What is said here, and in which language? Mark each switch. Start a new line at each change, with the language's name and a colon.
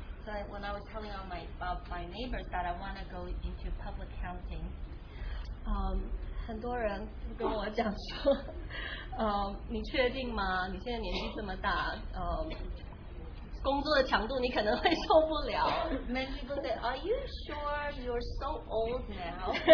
English: So when I was telling all my neighbors that I want to go into public accounting,
Chinese: 很多人跟我讲说, 你确定吗? 你现在年纪这么大, 工作的强度你可能会受不了。
English: Many people say, are you sure you're so old now?